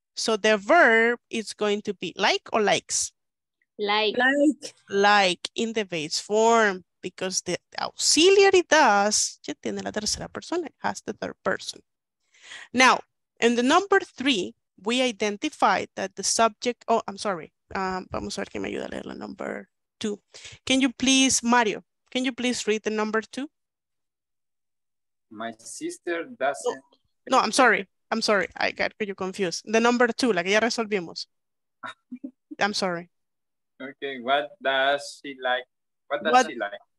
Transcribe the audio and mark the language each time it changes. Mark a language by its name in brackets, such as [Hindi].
[English] So the verb is going to be like or likes? Like in the base form. Because the auxiliary does, [Spanish] ya tiene la tercera persona, [English] has the third person. Now, in the number three, we identified that the subject, oh, I'm sorry. [Spanish] Vamos a ver que me ayuda a leer la [English] number two. Can you please, Mario, can you please read the number two? My sister doesn't. No, no, I'm sorry. I got you confused. The number two, [Spanish] la que ya resolvimos. [English] I'm sorry. Okay, what does she like? What does she like?